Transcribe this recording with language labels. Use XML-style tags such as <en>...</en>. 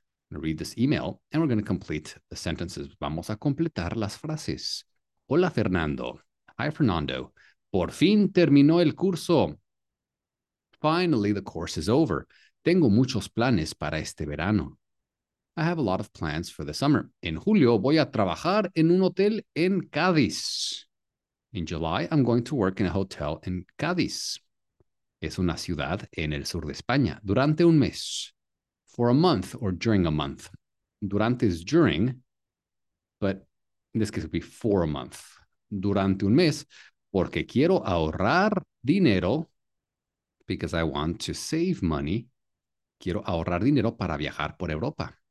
<en>Read this email and we're going to complete the sentences.</en> <es>Vamos a completar las frases. Hola Fernando.</es> <en>Hi Fernando.</en> <es>Por fin terminó el curso.</es> <en>Finally, the course is over.</en> <es>Tengo muchos planes para este verano.</es> <en>I have a lot of plans for the summer.</en> <es>En julio voy a trabajar en un hotel en Cádiz.</es> <en>In July, I'm going to work in a hotel in Cádiz.</en> <es>Es una ciudad en el sur de España. Durante un mes.</es> <en>For a month or during a month. Durante is during, but in this case it would be for a month.</en> <es>Durante un mes, porque quiero ahorrar dinero.</es> <en>Because I want to save money.</en> <es>Quiero ahorrar dinero para viajar por Europa.</es>